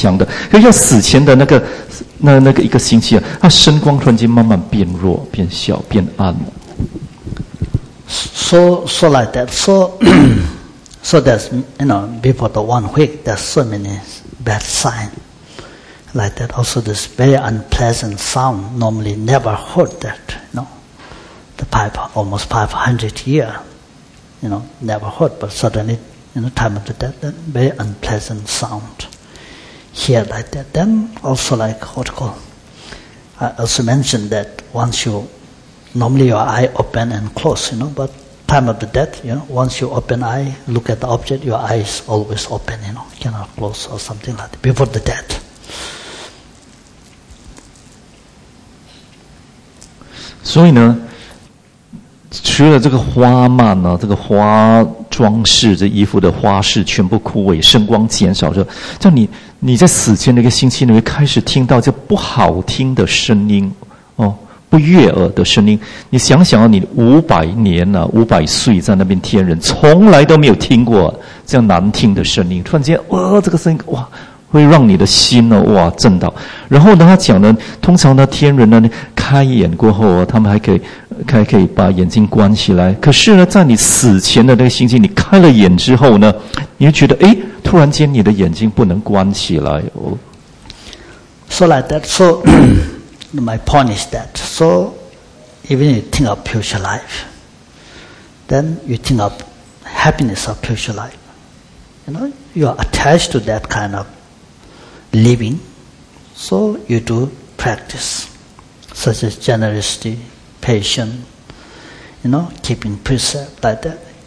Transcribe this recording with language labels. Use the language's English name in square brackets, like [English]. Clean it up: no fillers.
[Chinese] 这天人呢、啊，他们是有花蔓的了，他们有花挂着，叮叮咚咚很漂亮的，而且又香的。在花蔓的，你看到、啊、就开始慢慢枯萎了，慢慢枯萎了，枯萎了，然后长得就变臭了。那枯萎了，那天人是有自然的声光的，他们有光会出现的。诶，他们讲人有光了，我们看不到。哦，声光，他们声光是很强很强的，可要死前的那个。那个一个星期啊，它声光突然间慢慢变弱、变小、变暗。So [English] like that. So so there's, you know, before the 1 week, there's so many bad signs like that. Also, this very unpleasant sound, normally never heard that, you know. The pipe, almost 500 years, you know, never heard, but suddenly, you know, time of the death, then very unpleasant sound. Here like that. Then also like what call? I also mentioned that once you, normally your eye open and close, you know, but time of the death, you know, once you open eye, look at the object, your eyes always open, you know, cannot close or something like that, before the death. [Chinese] 所以呢, 除了这个花蔓呢、啊，这个花装饰，这衣服的花饰全部枯萎，声光减少，就你在死前的一个星期里面开始听到这不好听的声音，哦，不悦耳的声音。你想想啊，你五百年了、啊，五百岁在那边天人，从来都没有听过这样难听的声音，突然间，哇，这个声音，哇！会让你的心呢，哇，震到。然后呢，他讲呢，通常呢，天人呢，开眼过后啊，他们还可以，还可以把眼睛关起来。可是呢，在你死前的那个心情，你开了眼之后呢，你就觉得，哎，突然间你的眼睛不能关起来。 [English] So like that. So my point is that. So even you think of future life, then you think of happiness of future life. You know, you are attached to that kind of. Living, so you do practice, such as generosity, patience, you know, keeping precept like that.